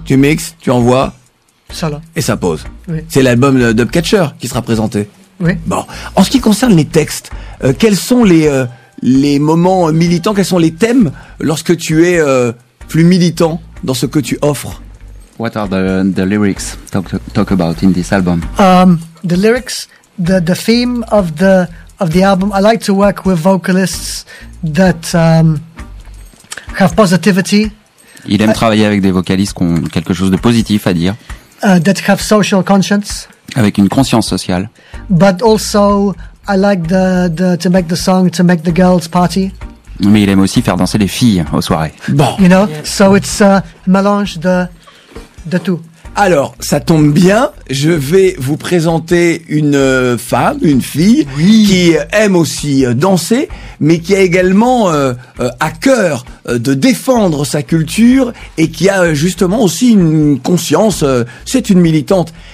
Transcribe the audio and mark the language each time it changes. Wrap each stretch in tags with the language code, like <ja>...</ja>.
<fr>Tu mixes, tu envoies Solo. Et ça pose. Oui. C'est l'album d'Upcatcher qui sera présenté. Oui. Bon, en ce qui concerne les textes, quels sont les moments militants, quels sont les thèmes lorsque tu es plus militant dans ce que tu offres?</fr> <en>What are the lyrics talk about in this album? The lyrics, the theme of the album, I like to work with vocalists that have positivity.</en> <fr>Il aime travailler avec des vocalistes qui ont quelque chose de positif à dire.</fr> <en>That have social conscience.</en> <fr>Avec une conscience sociale.</fr> <en>But also, I like the to make the song to make the girls party.</en> <fr>Mais il aime aussi faire danser les filles aux soirées. Bon.</fr> <en>You know, so it's a</en> <fr>mélange de tout. Alors, ça tombe bien, je vais vous présenter une femme, une fille, oui. Qui aime aussi danser, mais qui a également à cœur de défendre sa culture et qui a justement aussi une conscience, c'est une militante.</fr>